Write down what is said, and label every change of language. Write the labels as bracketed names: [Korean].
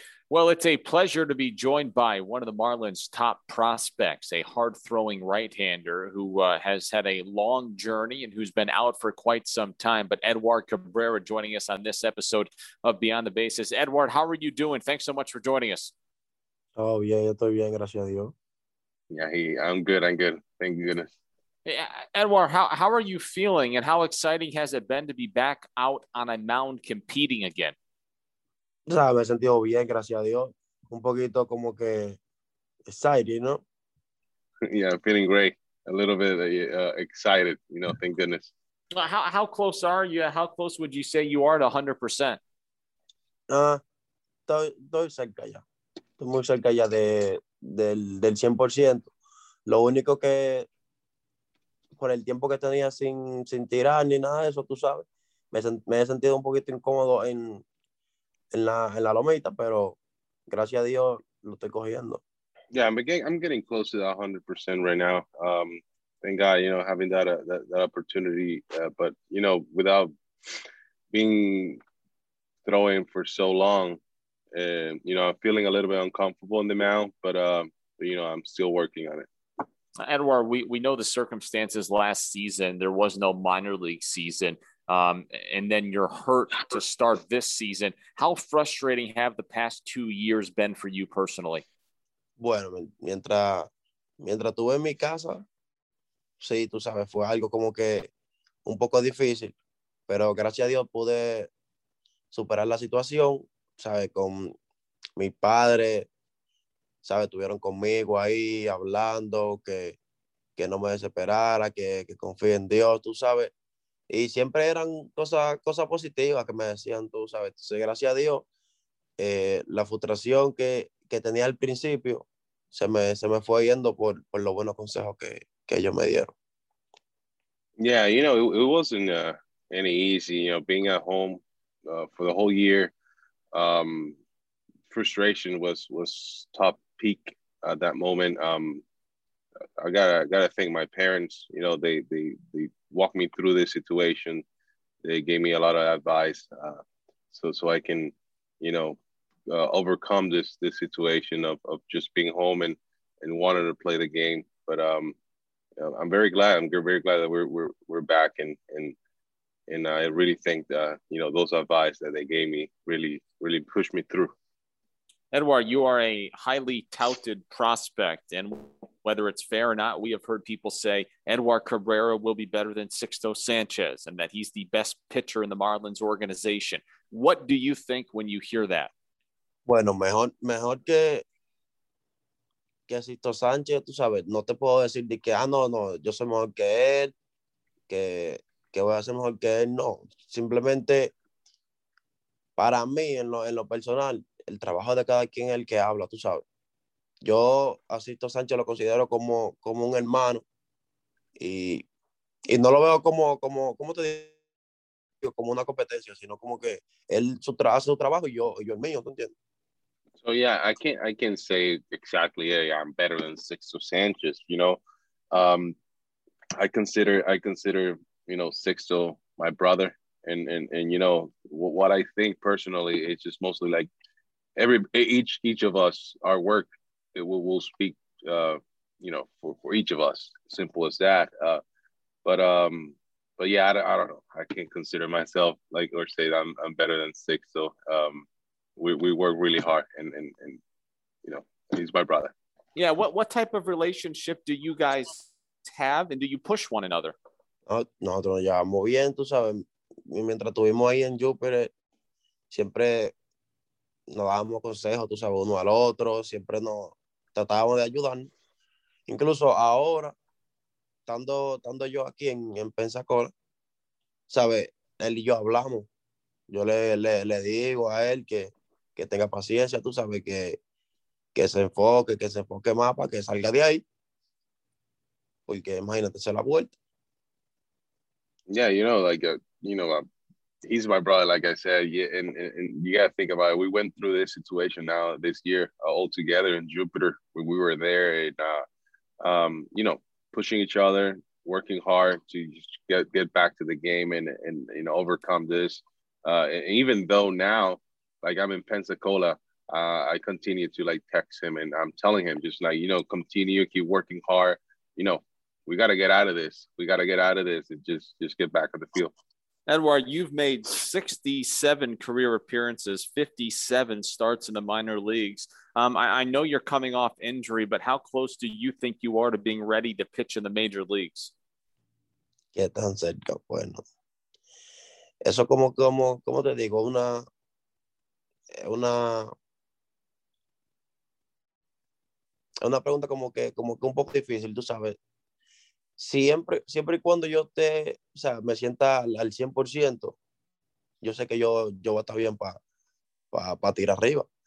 [English] Well, it's a pleasure to be joined by one of the Marlins' top prospects, a hard-throwing right-hander who has had a long journey and who's been out for quite some time. But Eduard Cabrera joining us on this episode of Beyond the Bases. Eduard, how are you doing? Thanks so much for joining us. Oh, yeah, [Spanish] yo estoy bien, gracias a Dios. [English] Yeah, I'm good. Thank you, goodness. Eduard, how are you feeling and how exciting has it been to be back out on a mound competing again? [Spanish] O sea, me he sentido bien, gracias a Dios. Un poquito como que [English] excited, you know? Yeah, feeling great. A little bit excited, you know, thank goodness. How close are you? How close would you say you are to 100%? [Spanish] Estoy cerca ya. Estoy muy cerca ya del 100%. Lo único que, por el tiempo que tenía sin tirar ni nada de eso, tú sabes, me he sentido un poquito incómodo en la lomita, pero gracias a Dios lo estoy cogiendo. [English] Yeah, I'm getting close to that 100% right now. Thank God, you know, having that opportunity. But you know, without being throwing for so long, you know, I'm feeling a little bit uncomfortable in the mound. But you know, I'm still working on it. Eduard, we know the circumstances last season. There was no minor league season. And then you're hurt to start this season. How frustrating have the past 2 years been for you personally? [Spanish] Bueno, mientras estuve en mi casa, sí, tú sabes, fue algo como que un poco difícil, pero gracias a Dios pude superar la situación, sabes, con mi padre, sabes, tuvieron conmigo ahí hablando que no me desesperara, que confíe en Dios, tú sabes. Y siempre eran cosas positivas que me decían, tú sabes. Entonces, gracias a Dios, la frustración que tenía al principio se me fue yendo por los buenos consejos que ellos me dieron. [English] Yeah, you know, it wasn't any easy, you know, being at home for the whole year. Frustration was top peak at that moment. I gotta thank my parents. You know, they walked me through this situation. They gave me a lot of advice, so I can, you know, overcome this situation of just being home and wanting to play the game. But I'm very glad. I'm very glad that we're back and I really think that, you know, those advice that they gave me really pushed me through. Edouard, you are a highly touted prospect, and whether it's fair or not, we have heard people say Edouard Cabrera will be better than Sixto Sanchez and that he's the best pitcher in the Marlins organization. What do you think when you hear that? [Spanish] Bueno, mejor que Sixto Sánchez, tú sabes. No te puedo decir de que, no, yo soy mejor que él, que voy a ser mejor que él. No, simplemente para mí, en lo personal, el trabajo de cada quien es el que habla, tú sabes. Yo a Sixto Sánchez lo considero como un hermano y no lo veo como te digo, como una competencia, sino como que él hace su trabajo y yo el mío, ¿tú entiendes? [English] So yeah, I can say exactly, yeah, I'm better than Sixto Sánchez, you know. I consider, you know, Sixto my brother, and you know, what I think personally, it's just mostly like each of us, our work, we'll speak, you know, for each of us, simple as that. But yeah, I don't know. I can't consider myself like, or say that I'm better than Sixto. We work really hard and you know, he's my brother. Yeah. What type of relationship do you guys have? And do you push one another? [Spanish] Nosotros nos llevamos bien, tú sabes. Y mientras estuvimos ahí en Jupiter, siempre nos dábamos consejos, tú sabes, uno al otro, siempre nos tratábamos de ayudar. Incluso ahora, estando yo aquí en Pensacola, sabes, él y yo hablamos. Yo le digo a él que tenga paciencia, tú sabes, que se enfoque más para que salga de ahí. Porque imagínate, se la vuelta. [English] Yeah, you know, like, you know, he's my brother, like I said. Yeah, and you got to think about it. We went through this situation now this year all together in Jupiter. We were there and, you know, pushing each other, working hard to just get back to the game and overcome this. And even though now, like, I'm in Pensacola, I continue to, like, text him. And I'm telling him just, like, you know, continue, keep working hard. You know, we got to get out of this. We got to get out of this and just get back on the field. Edouard, you've made 67 career appearances, 57 starts in the minor leagues. I know you're coming off injury, but how close do you think you are to being ready to pitch in the major leagues? [Spanish] ¿Qué tan cerca? Bueno, eso como te digo, una pregunta como que un poco difícil, tú sabes. Siempre y cuando yo esté, o sea, me sienta al 100%, yo sé que yo voy a estar bien para tirar arriba.